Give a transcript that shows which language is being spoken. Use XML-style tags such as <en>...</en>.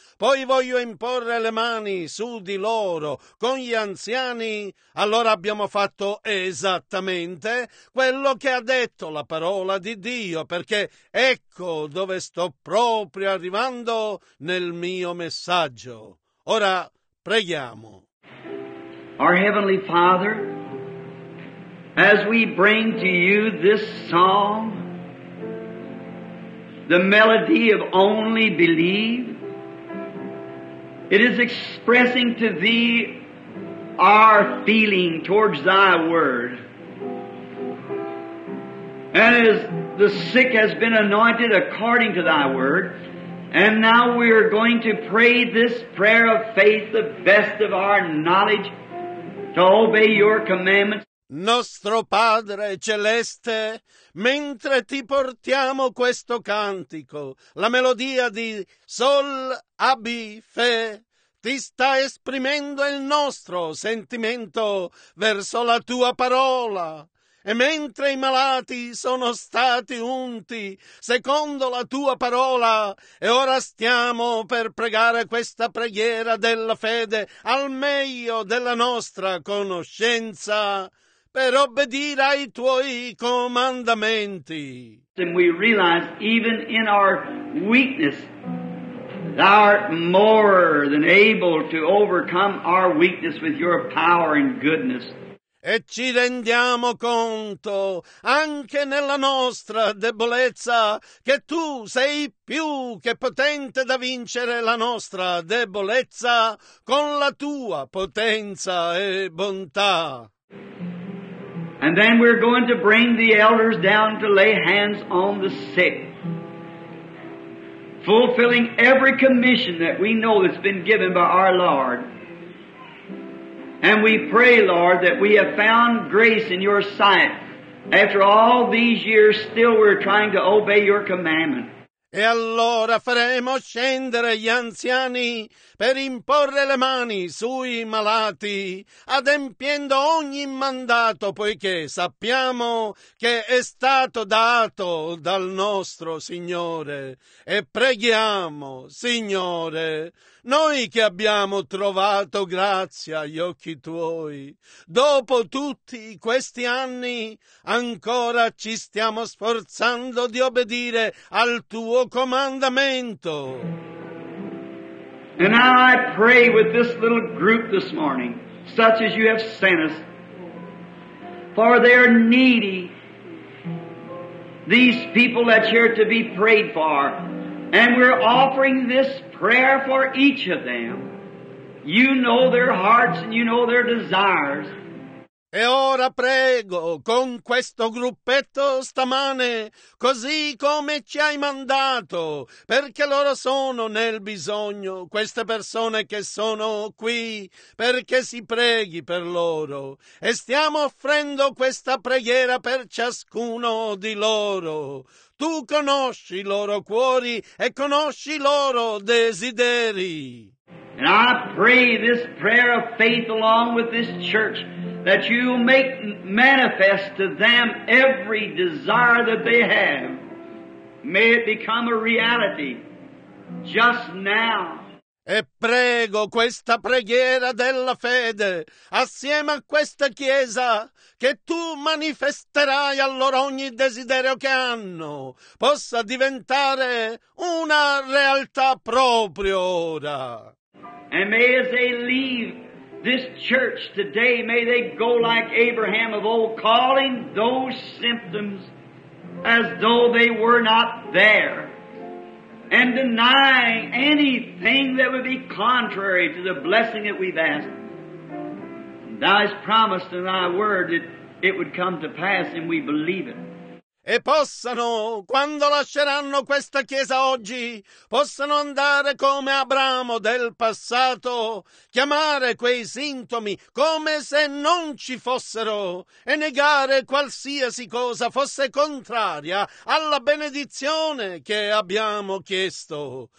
<it>Poi voglio imporre le mani su di loro con gli anziani. Allora abbiamo fatto esattamente quello che ha detto la parola di Dio, perché ecco dove sto proprio arrivando nel mio messaggio. Ora preghiamo.</it> <en>Our Heavenly Father, as we bring to you this song, the melody of Only Believe, it is expressing to thee our feeling towards thy word. And as the sick has been anointed according to thy word, and now we are going to pray this prayer of faith, the best of our knowledge, to obey your commandments.</en> <it>Nostro Padre Celeste, mentre ti portiamo questo cantico, la melodia di Sol Abi Fe, ti sta esprimendo il nostro sentimento verso la tua parola. E mentre i malati sono stati unti secondo la tua parola, e ora stiamo per pregare questa preghiera della fede al meglio della nostra conoscenza, per obbedire ai tuoi comandamenti.</it> <en>And we realize even in our weakness, thou art more than able to overcome our weakness with your power and goodness.</en> <it>E ci rendiamo conto, anche nella nostra debolezza, che tu sei più che potente da vincere la nostra debolezza con la tua potenza e bontà.</it> <en>And then we're going to bring the elders down to lay hands on the sick, fulfilling every commission that we know that's been given by our Lord. And we pray, Lord, that we have found grace in your sight. After all these years, still we're trying to obey your commandment.</en> <it>E allora faremo scendere gli anziani per imporre le mani sui malati, adempiendo ogni mandato, poiché sappiamo che è stato dato dal nostro Signore. E preghiamo, Signore, noi che abbiamo trovato grazia agli occhi tuoi, dopo tutti questi anni ancora ci stiamo sforzando di obbedire al tuo comandamento.</it> <en>And now I pray with this little group this morning, such as you have sent us, for they're needy. These people that's here to be prayed for. And we're offering this prayer for each of them. You know their hearts and you know their desires.</en> <it>E ora prego con questo gruppetto stamane, così come ci hai mandato, perché loro sono nel bisogno, queste persone che sono qui, perché si preghi per loro. E stiamo offrendo questa preghiera per ciascuno di loro. Tu conosci i loro cuori e conosci i loro desideri.</it> <en>And I pray this prayer of faith along with this church that you make manifest to them every desire that they have. May it become a reality just now.</en> <it>E prego questa preghiera della fede assieme a questa chiesa che tu manifesterai a loro ogni desiderio che hanno possa diventare una realtà proprio ora.</it> <en>And may as they leave this church today, may they go like Abraham of old, calling those symptoms as though they were not there, and denying anything that would be contrary to the blessing that we've asked. Thou hast promised in thy word that it would come to pass, and we believe it.</en> <it>E possano, quando lasceranno questa chiesa oggi, possano andare come Abramo del passato, chiamare quei sintomi come se non ci fossero e negare qualsiasi cosa fosse contraria alla benedizione che abbiamo chiesto.</it>